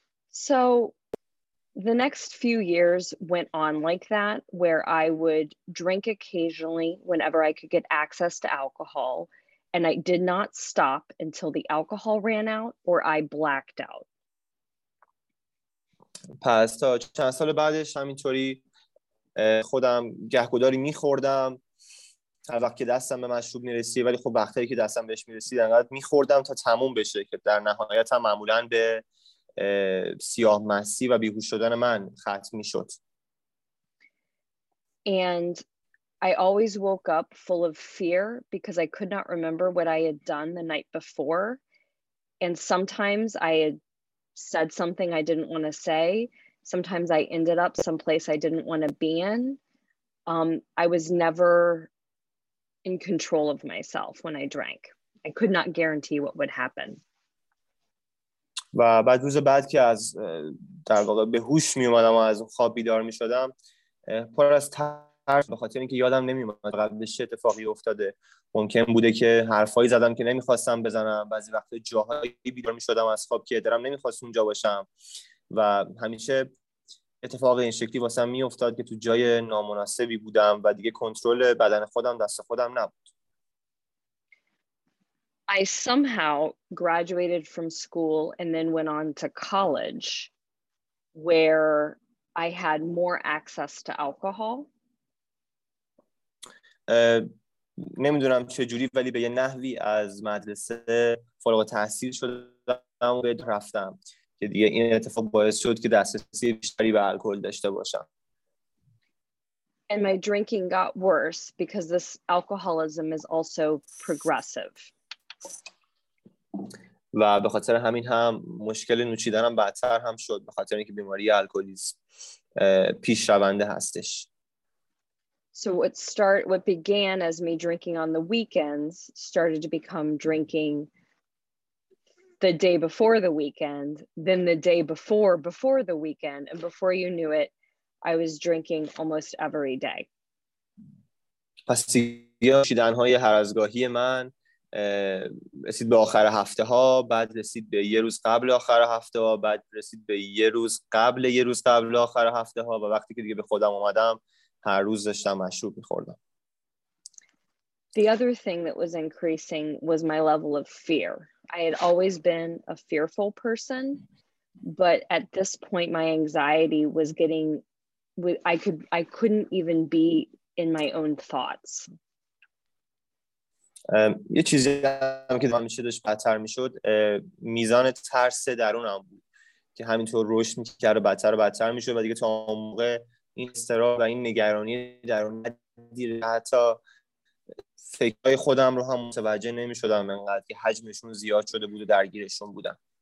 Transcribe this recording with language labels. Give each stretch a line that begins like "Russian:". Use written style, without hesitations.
English: So the next few years went on like that, where I would drink occasionally whenever I could get access to alcohol, and I did not stop until the alcohol ran out or I blacked out.
Persian: پس تا چند سال بعدش همینطوری خودم گهگداری میخوردم هر وقت که دستم به مشروب میرسید ولی خب وقتی که دستم بهش میرسید انقدر میخوردم تا تموم بشه که در نهایت هم معمولا به سیاه مسی و بیهوش شدن من ختم میشد.
English: And I always woke up full of fear because I could not remember what I had done the night before. And sometimes I had said something I didn't want to say. Sometimes I ended up someplace I didn't want to be in. I was never in control of myself when I drank. I could not guarantee what would happen.
Persian: و بعد روز بعد که از در واقع به هوش می اومدم و از اون خواب بیدار می شدم، پر از ترس، به خاطر اینکه یادم نمی اومد قبلش چه اتفاقی افتاده. ممکن بوده که حرفایی زدم که نمی خواستم بزنم، بعضی وقتا جاهایی بیدار می شدم از خواب که درم نمی خواست اونجا باشم، و همیشه اتفاق این شکلی واسه هم می افتاد که تو جای نامناسبی بودم و دیگه کنترل بدن خودم دست خودم نبود.
English: I somehow graduated from school and then went on to college where I had more access to alcohol.
Persian: نمیدونم چجوری، ولی به یه نحوی از مدرسه فارغ التحصیل شدم و رفتم که دیگه این اتفاق باعث شد که دسترسی بیشتری به الکل داشته باشم.
English: And my drinking got worse because this alcoholism is also progressive.
Persian: و به خاطر همین هم مشکل نوشیدنم بدتر هم شد، به خاطر اینکه بیماری الکلیسم پیش رونده هستش.
English: So what began as me drinking on the weekends started to become drinking the day before the weekend, then the day before the weekend, and before you knew it, I was drinking almost every day.
Persian: پس نوشیدن‌های هر از گاهی من رسید به آخر هفته ها، بعد رسید به یه روز قبل آخر هفته ها، بعد رسید به یه روز قبل یه روز قبل آخر هفته ها، و وقتی که دیگه به خودم اومدم هر روز داشتم مشروب می‌خوردم.
English: The other thing that was increasing was my level of fear. I had always been a fearful person, but at this point my anxiety was getting I couldn't even be in my own thoughts.
Persian: یه چیزی هم که همیشه داشت بدتر میشد میزان ترس درونم بود که همینطور رشد میکرد و بدتر و بدتر میشد، و دیگه تا موقع این استراب و این نگرانی درون دیر حتی فکرهای خودم رو هم متوجه نمیشدم انقدر که حجمشون زیاد شده بود و درگیرشون بودم.